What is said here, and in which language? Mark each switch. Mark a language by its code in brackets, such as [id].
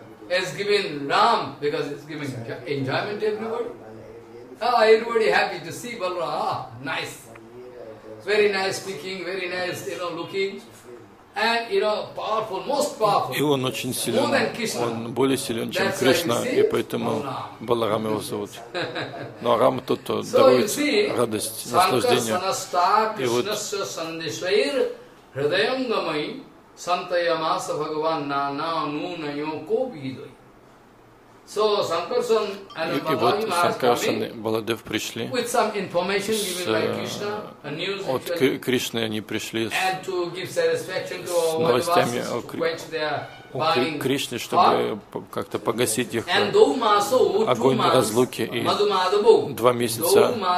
[en] Has given Ram because it's giving enjoyment to everybody. Ah, oh, everybody happy to see Balaram. Ah, nice, very nice speaking, very nice, you know, looking, and you know, powerful, most powerful. [ru] И он очень силен. Он более силен, чем Кришна, и поэтому Баларам его зовут. Но Рам тот, кто дарует радость, наслаждение. И вот. [sa] Сантаямаса Бхагаван Нана Нуна Йоко Бидой. [en] So, Sankarsan and Baladev [ru] вот Sankarsan и Баладев пришли [en] with some information given by Krishna, a news [ru] от Кришны они пришли с новостями о Кришне, чтобы как-то погасить их огонь разлуки и два месяца.